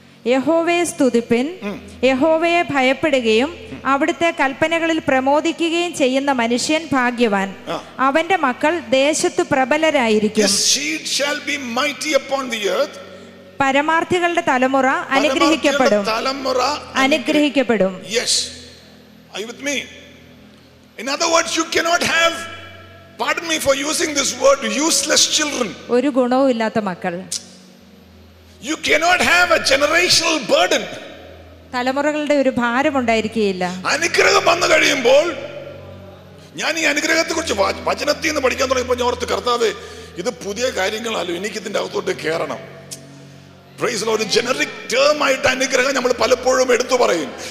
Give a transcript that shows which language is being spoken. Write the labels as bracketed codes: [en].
[ml] യഹോവയെ സ്തുതിപ്പിൻ, യഹോവയെ ഭയപ്പെടുകയും അവിടുത്തെ കൽപ്പനകളിൽ പ്രമോദിക്കുകയും ചെയ്യുന്ന മനുഷ്യൻ ഭാഗ്യവാൻ, അവന്റെ മക്കൾ ദേശത്തു പ്രബലരായിരിക്കും. പരമാർത്ഥികളുടെ തലമുറ അനുഗ്രഹിക്കപ്പെടും. തലമുറ അനുഗ്രഹിക്കപ്പെടും. [en] Yes. Are you with me? In other words, you cannot have, pardon me for using this word, useless children. [ml] ഒരു ഗുണവും ഇല്ലാത്ത മക്കൾ. [en] You cannot have a generational burden. [ml] തലമുറകളുടെ ഒരു ഭാരം ഉണ്ടായിരിക്കില്ല. അനുഗ്രഹം വന്നു കഴിയുമ്പോൾ ഞാൻ ഈ അനുഗ്രഹത്തെ കുറിച്ച് വചനത്തിൽ നിന്ന് പഠിക്കാൻ തുടങ്ങിയപ്പോൾ ഞാൻ ഓർത്ത്, കർത്താവ് ഇത് പുതിയ കാര്യങ്ങളല്ലോ, എനിക്ക് ഇതിന്റെ അകത്തോട്ട് കയറണം. [en] Praise Lord. [ml] ജനറിക് ടേം ആയിട്ട് അനുഗ്രഹം നമ്മൾ പലപ്പോഴും എടുത്തു പറയും.